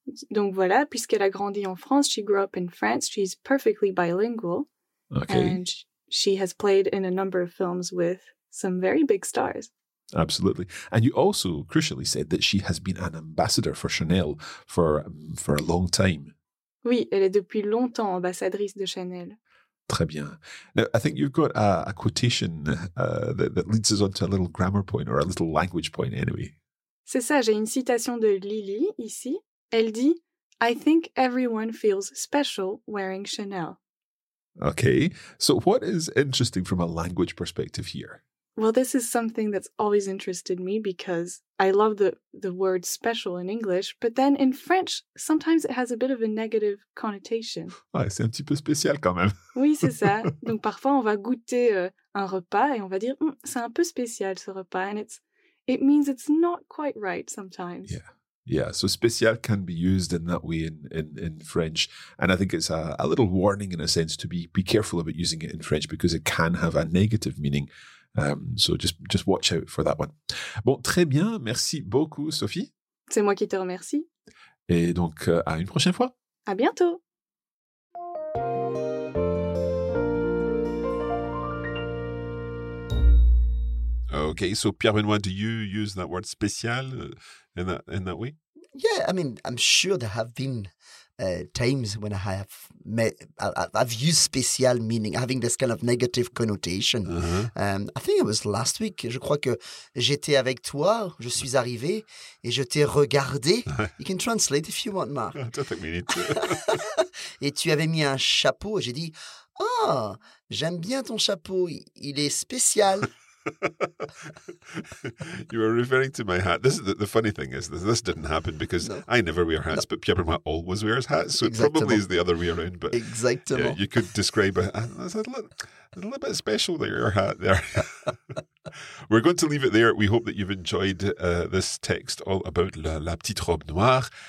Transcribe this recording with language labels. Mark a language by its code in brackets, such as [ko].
[fr] Donc voilà, puisqu'elle a grandi en France, [en] she grew up in France, she's perfectly bilingual. Okay. And she has played in a number of films with some very big stars. Absolutely. And you also crucially said that she has been an ambassador for Chanel for a long time. [fr] Oui, elle est depuis longtemps ambassadrice de Chanel. Très bien. [en] Now, I think you've got a quotation that leads us on to a little grammar point or a little language point anyway. [fr] C'est ça, j'ai une citation de Lily ici. Elle dit, [en] I think everyone feels special wearing Chanel. Okay, so what is interesting from a language perspective here? Well, this is something that's always interested me because I love the word special in English, but then in French, sometimes it has a bit of a negative connotation. [fr] Ouais, c'est un petit peu spécial quand même. Oui, c'est ça. Donc parfois, on va goûter un repas et on va dire, c'est un peu spécial ce repas. [en] And it means it's not quite right sometimes. Yeah, so spécial can be used in that way in French. And I think it's a little warning in a sense to be careful about using it in French because it can have a negative meaning. So just watch out for that one. [fr] Bon, très bien. Merci beaucoup, Sophie. C'est moi qui te remercie. Et donc, à une prochaine fois. À bientôt. [en] Okay, so Pierre-Benoît, do you use that word spécial in that way? Yeah, I mean, I'm sure there have been times when I have I've used spécial meaning, having this kind of negative connotation. Uh-huh. I think it was last week. [fr] Je crois que j'étais avec toi, je suis arrivé et je t'ai regardé. [en] You can translate if you want, Mark. I don't think we need to. [fr] Et tu avais mis un chapeau et j'ai dit, oh, j'aime bien ton chapeau, il est spécial. [en] You were referring to my hat. This is the funny thing is this didn't happen because no. I never wear hats, no. But Pierre-Benoît always wears hats, so [fr] exactement. [en] It probably is the other way around. But exactly, yeah, you could describe it. It's a little bit special there, your hat there. We're going to leave it there. We hope that you've enjoyed this text all about [fr] la petite robe noire.